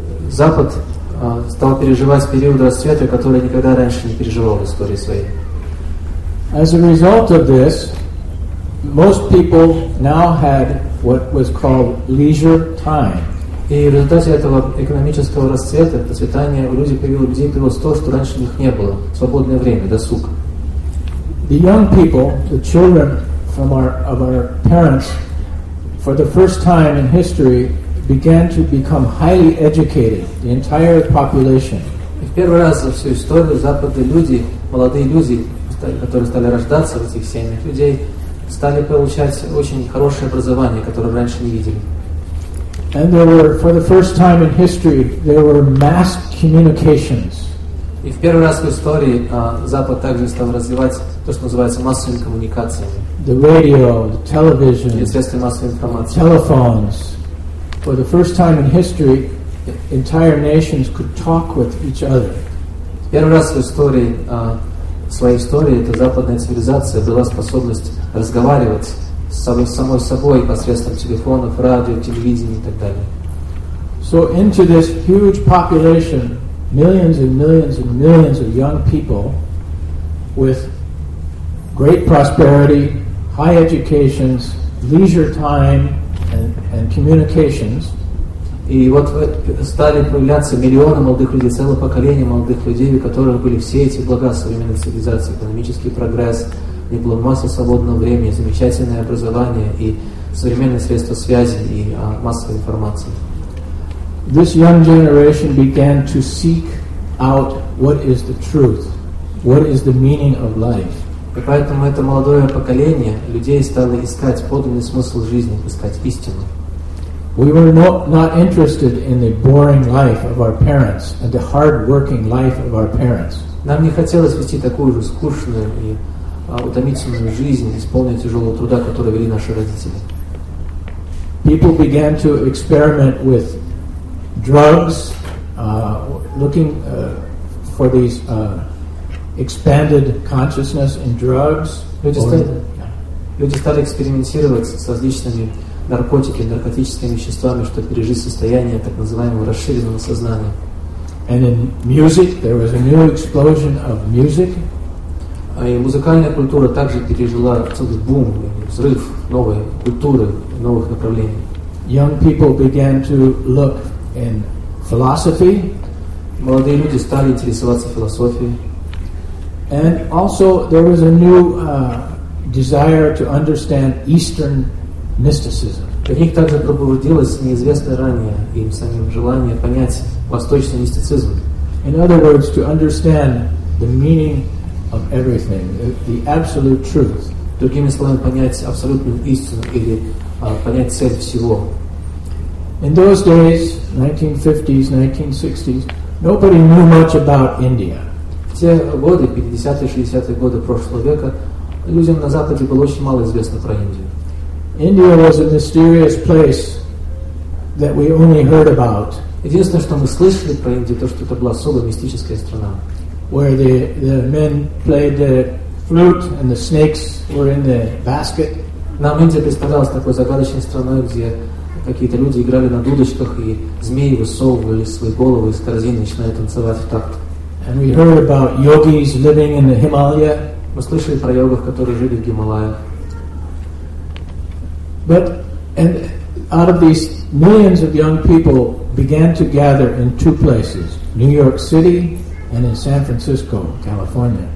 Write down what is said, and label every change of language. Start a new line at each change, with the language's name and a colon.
Russian: Запад стал переживать период расцвета, который никогда раньше не переживал в истории своей.
English: As a result of this, most people now had what was called leisure time.
Russian: И в результате этого экономического расцвета, процветания, у людей появилось то, что раньше у них не было. Свободное время, досуг.
English: The young people, the children of our parents, for the first time in history, began to become highly educated, the entire population.
Russian: И в первый раз за всю историю западные люди, молодые люди, которые стали рождаться в этих семьях людей, стали получать очень хорошее образование, которое раньше не видели.
English: And there were, for the first time in history, there were mass communications.
Russian: И в первый раз в истории Запад также стал развивать то, что называется массовыми коммуникациями.
English: The radio, the television,
Russian: известные массовые информации,
English: telephones. For the first time in history, entire nations could talk with each other.
Russian: В первый раз в истории, своей истории, эта западная цивилизация была способность разговаривать самой собой посредством телефонов, радио, телевидения и так далее.
English: So into this huge population, millions and millions and millions of young people with great prosperity, high educations, leisure time and communications.
Russian: И вот стали появляться миллионы молодых людей, целое поколение молодых людей, у которых были все эти блага современной цивилизации, экономический прогресс, и было масса свободного времени, замечательное образование и современные средства связи и массовой информации.
English: This young generation began to seek out what is the truth, what is the meaning of life.
Russian: И поэтому это молодое поколение людей стало искать подлинный смысл жизни, искать истину.
English: We were not interested in the boring life of our parents and the hard-working life of our parents.
Russian: Нам не хотелось вести такую же скучную и утомительную жизнь, исполненную тяжелого труда, который вели наши родители.
English: People began to experiment with drugs, looking for these expanded consciousness in drugs.
Russian: Люди стали экспериментировать с различными наркотиками, наркотическими веществами, чтобы пережить состояние так называемого расширенного сознания.
English: And in music, there was a new explosion of music.
Russian: И музыкальная культура также пережила целый бум, взрыв новой культуры, новых направлений.
English: Young people began to look in philosophy.
Russian: Молодые люди стали интересоваться философией.
English: And also there was a new desire to understand Eastern mysticism.
Russian: У них также пробудилось неизвестное ранее им самим желание понять восточный мистицизм.
English: In other words, to understand the meaning of everything, the absolute truth.
Russian: Другими словами, понять абсолютную истину или понять цель всего.
English: In those days, 1950s, 1960s, nobody knew much about India.
Russian: В те годы, 50-е, 60-е годы прошлого века, людям на Западе было очень мало известно про Индию.
English: India was a mysterious place that we only heard about.
Russian: Единственное, что мы слышали про Индию, то, что это была особо мистическая страна.
English: Where the men played the flute and the snakes were in the basket.
Russian: Нам Индия представлялась такой загадочной страной, где какие-то люди играли на дудочках, и змеи высовывали свои головы из корзины и начинали танцевать в такт.
English: And we heard about yogis living in the Himalaya.
Russian: Мы слышали про йогов, которые жили в Гималаях.
English: But and out of these millions of young people began to gather in two places, New York City and in San Francisco, California.